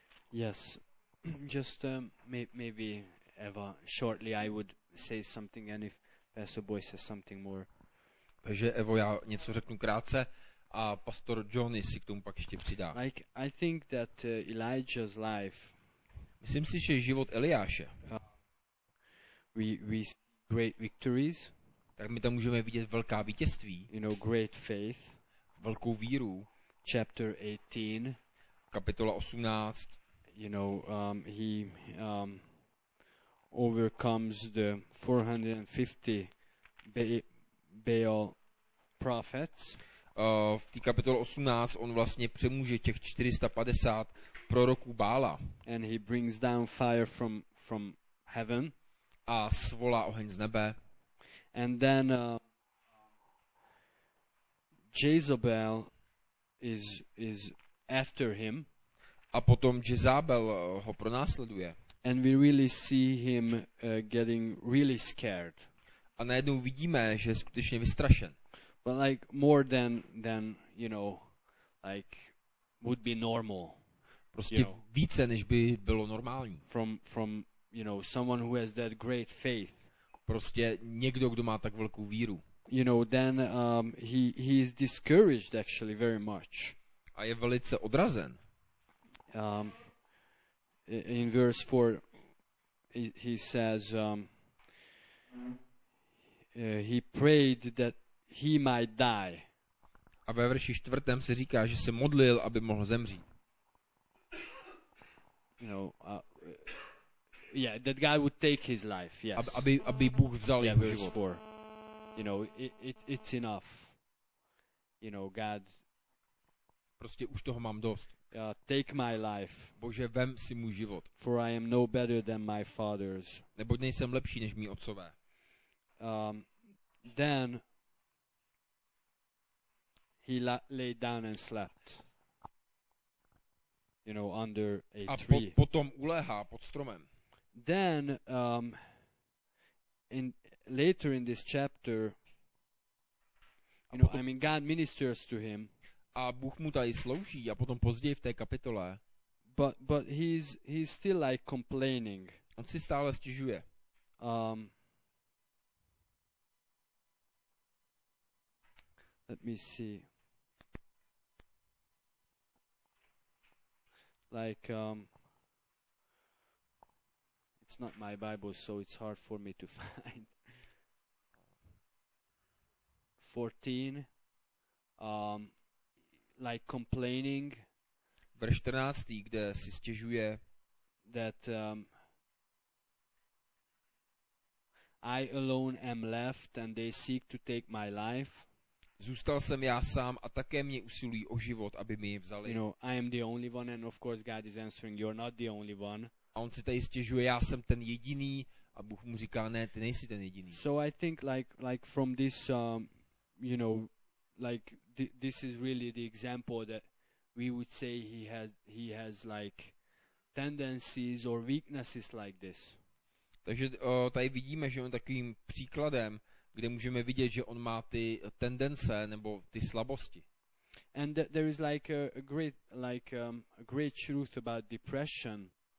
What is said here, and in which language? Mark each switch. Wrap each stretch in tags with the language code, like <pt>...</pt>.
<en>Yes, just maybe Eva, shortly I would say something, and if Pastor Boy says something more.</en> <cs>Takže Evo, já něco řeknu krátce a pastor Johnny si k tomu pak ještě přidá.</cs> <en>Like, I think that Elijah's life.</en> <cs>Myslím si, že život Eliáše.</cs> <en>We see great victories.</en> <cs>Tak my tam můžeme vidět velká vítězství.</cs> <en>You know, great faith.</en> <cs>Velkou víru.</cs> <en>Chapter 18.</en> <cs>Kapitola 18.</cs> <en>You know, he overcomes the 450 Baal prophets.</en> <cs>V té kapitole 18 on vlastně přemůže těch 450 proroků Bála.</cs> <en>And he brings down fire from heaven.</en> <cs>A svolá oheň z nebe.</cs> <en>And then Jezebel is after him.</en> <cs>A potom Jezábel ho pronásleduje.</cs> <en>And we really see him getting really scared.</en> <cs>A najednou vidíme, že je skutečně vystrašen.</cs> <en>But like more than you know, like would be normal.</en> <cs>Prostě</cs> <en>you know,</en> <cs>více, než by bylo normální.</cs> <en>From you know, someone who has that great faith.</en> <cs>Prostě někdo, kdo má tak velkou víru.</cs> <en>You know, then he is discouraged actually very much.</en> <cs>A je velice odrazen.</cs> <en>In verse 4 he says he prayed that he might die.</en> <cs>A ve verši 4. se říká, že se modlil, aby mohl zemřít.</cs> <en>You know, yeah, that guy would take his life, yes.</en> <cs>Aby Bůh vzal jeho život.</cs> <en>Verse 4. You know, it's enough. You know, God.</en> <cs>Prostě už toho mám dost.</cs> <en>Take my life.</en> <cs>Bože, vem si můj život.</cs> <en>For I am no better than my fathers.</en> <cs>Neboť nejsem lepší než mí otcové.</cs> <en>Then he lay down and slept. You know, under a tree.</en> <cs>A potom uléhá pod stromem.</cs> <en>Then later in this chapter, you know, I mean, God ministers to him.</en> <cs>A Bůh mu tady slouží a potom později v té kapitole.</cs> <en>But he's still like complaining.</en> <cs>On si stále stěžuje.</cs> <en>Let me see. Like it's not my Bible, so it's hard for me to find. 14. Like complaining.</en> <cs>Verš 14, kde si stěžuje.</cs> <en>That I alone am left and they seek to take my life.</en> <cs>Zůstal jsem já sám a také mě usilují o život, aby mi je vzali.</cs> <en>You know, I am the only one and of course God is answering, you're not the only one.</en> <cs>A on si tady stěžuje, já jsem ten jediný a Bůh mu říká, ne, ty nejsi ten jediný.</cs> <en>So I think like from this, you know, like this is really the example that we would say he has like tendencies or weaknesses like this.</en> <cs>Takže tady vidíme, že on takovým příkladem, kde můžeme vidět, že on má ty tendence nebo ty slabosti.</cs> <en>And there is like a great truth about depression.</en>